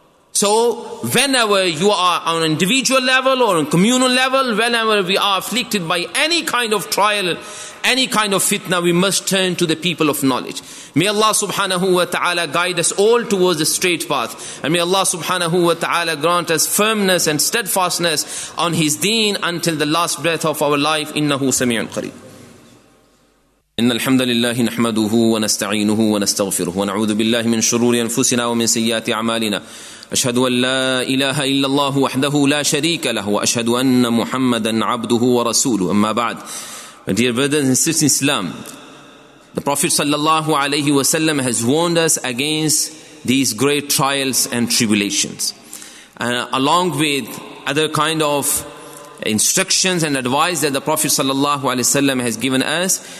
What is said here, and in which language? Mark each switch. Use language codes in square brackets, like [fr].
[en] So whenever you are on an individual level or on a communal level, whenever we are afflicted by any kind of trial, any kind of fitna, we must turn to the people of knowledge. May Allah subhanahu wa ta'ala guide us all towards the straight path. And may Allah subhanahu wa ta'ala grant us firmness and steadfastness on his deen until the last breath of our life. [ar] Innahu sami'un qareeb. إن الحمد لله نحمده ونستعينه ونستغفره ونعوذ بالله من شرور أنفسنا ومن سيئات أعمالنا. أشهد أن لا إله إلا الله وحده لا شريك له وأشهد أن محمدا عبده ورسوله. أما بعد, [en] my dear brothers and sisters in Islam, the Prophet صلى الله عليه وسلم has warned us against these great trials and tribulations, along with other kind of instructions and advice that the Prophet sallallahu alaihi wasallam has given us.